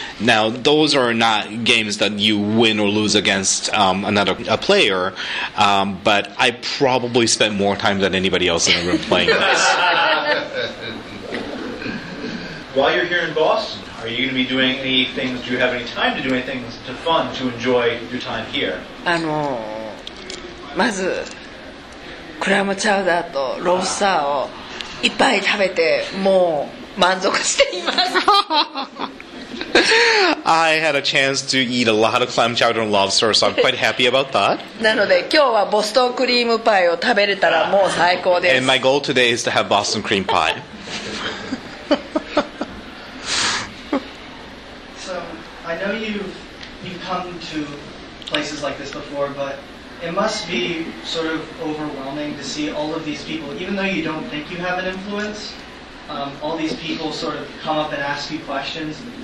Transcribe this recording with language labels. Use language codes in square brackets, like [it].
[en] Now, those are not games that you win or lose against another player, but I probably spent more time than anybody else in the room playing those. While you're here in Boston, are you going to be doing any things? Do you have any time to do any things to fun to enjoy your time here? [ja] あの、まずクラムチャウダーとロースサーをいっぱい食べてもう満足しています。 [en] I had a chance to eat a lot of clam chowder and lobster, so I'm quite happy about that. [ja] なので今日はボストンクリームパイを食べれたらもう最高です。 [en] And my goal today is to have Boston cream pie. I know you've come to places like this before, but it must be sort of overwhelming to see all of these people, even though you don't think you have an influence, all these people sort of come up and ask you questions.